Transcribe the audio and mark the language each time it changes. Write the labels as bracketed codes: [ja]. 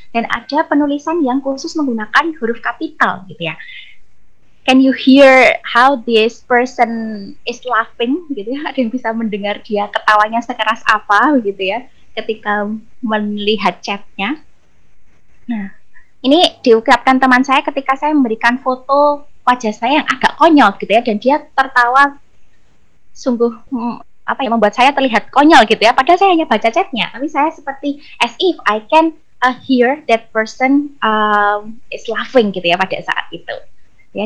[id] Dan ada penulisan yang khusus menggunakan huruf kapital gitu ya. [en] Can you hear how this person is laughing? [id] Gitu ya. Ada yang bisa mendengar dia ketawanya sekeras apa gitu ya ketika melihat chat-nya. Nah, ini diungkapkan teman saya ketika saya memberikan foto wajah saya yang agak konyol gitu ya, dan dia tertawa sungguh apa yang membuat saya terlihat konyol gitu ya, padahal saya hanya baca chatnya, tapi saya seperti [en] as if I can hear that person is laughing [id] gitu ya pada saat itu ya.